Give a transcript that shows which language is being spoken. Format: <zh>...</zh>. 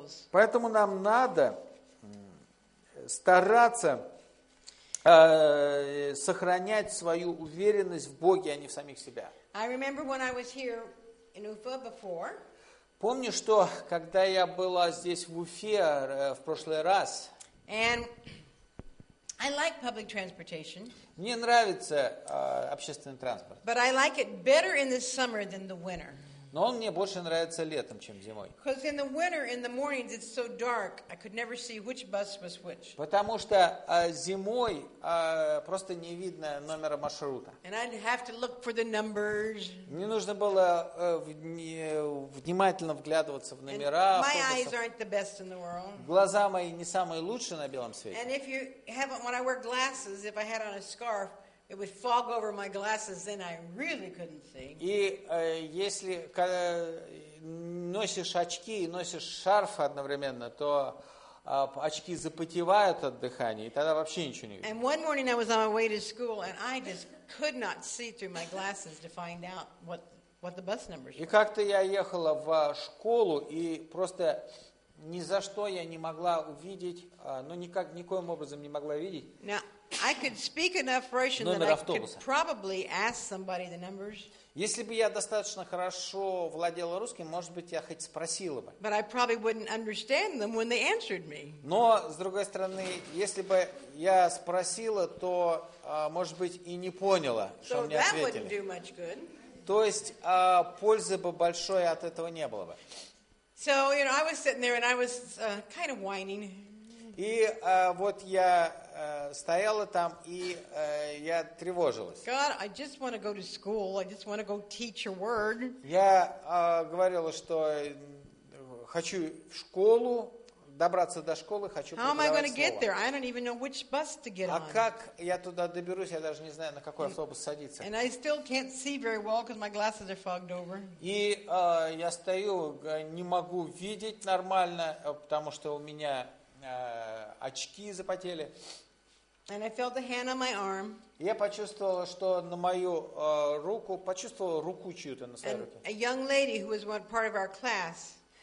<ru>Поэтому нам надо стараться сохранять свою уверенность в Боге, а не в самих себя.</ru> <en>I remember when I was here in Ufa before.</en> <ru>Помню, что когда я была здесь в Уфе в прошлый раз.</ru> <en>And I like public transportation.</en> <ru>Мне нравится общественный транспорт.</ru> <en>But I like it better in the summer than the winter.</en> <ru>Но он мне больше нравится летом, чем зимой.</ru> <en>Because in the winter, in the mornings, it's so dark, I could never see which bus was which.</en> <ru>Потому что зимой просто не видно номера маршрута.</ru> <en>And I'd have to look for the numbers.</en> <ru>Мне нужно было внимательно вглядываться в номера.</ru> <en>And my eyes aren't the best in the world.</en> <ru>Глаза мои не самые лучшие на белом свете.</ru> <en>And if you have, when I wear glasses, if I had on a scarf, it would fog over my glasses, then I really couldn't see.</en> <ru>И если носишь очки и носишь шарф одновременно, то очки запотевают от дыхания, и тогда вообще ничего не видно.</ru> <en>And one morning I was on my way to school, and I just could not see through my glasses to find out what the bus numbers were.</en> <ru>И как-то я ехала в школу, и просто ни за что я не могла увидеть, ну никак, никоим образом не могла видеть.</ru> <en>Now, I could speak enough Russian that I could probably ask somebody the numbers.</en> <ru>Если бы я достаточно хорошо владела русским, может быть, я хоть спросила бы.</ru> <en>But I probably wouldn't understand them when they answered me.</en> <ru>Но с другой стороны, если бы я спросила, то, может быть, и не поняла, что мне ответили.</ru> <en>So that wouldn't do much good.</en> <ru>То есть, пользы бы большой от этого не было бы.</ru> <en>So, you know, I was sitting there and I was kind of whining.</en> <ru>И вот я стояла там, и я тревожилась.</ru> <en>God, I just want to go to school. I just want to go teach your word.</en> <ru>Я говорила, что хочу в школу, добраться до школы, хочу преподавать</ru> <en>How am I going to get there? I don't even know which bus to get on.</en> <ru>А как я туда доберусь? Я даже не знаю, на какой автобус садиться.</ru> <en>And I still can't see very well because my glasses are fogged over.</en> <ru>И я стою, не могу видеть нормально, потому что у меня очки запотели.</ru> <en>And I felt a hand on my arm.</en> <ru>Я почувствовала, что на мою руку, почувствовала руку чью-то на своей</ru> <en>and</en> <ru>руке.</ru> <en>A young lady who was one part of our class.</en>